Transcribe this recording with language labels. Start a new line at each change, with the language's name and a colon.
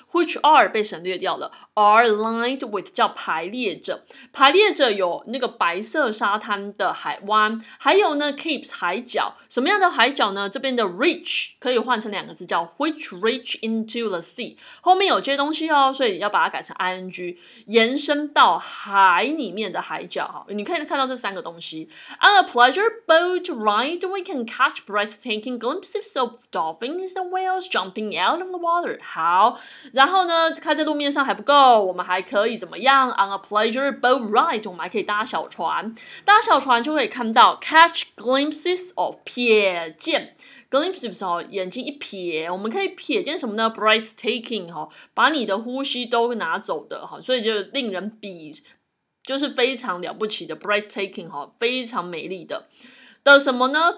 English: which are
Chinese: 被省略掉了，
English: are lined with
Chinese: 叫排列着有那个白色沙滩的海湾，还有呢 capes 海角，什么样的海角呢？这边的 reach 可以换成两个字叫
English: Which reach into the sea，
Chinese: 后面有这些东西哦，所以要把它改成 ing， 延伸到海里面的海角。你可以看到这三个东西。
English: On a pleasure boat ride we can catch breathtaking glimpses of dolphins and whales jumping out of the water。
Chinese: 好，然后呢，开在路面上还不够，我们还可以怎么样？
English: On a pleasure boat ride
Chinese: 我们还可以搭小船就可以看到
English: catch glimpses of
Chinese: 瞥见Glimpses， 眼睛一瞥，我们可以瞥见什么呢？ Breathtaking， 把你的呼吸都拿走的，所以就令人鄙，就是非常了不起的 Breathtaking， 非常美丽的。的什么呢？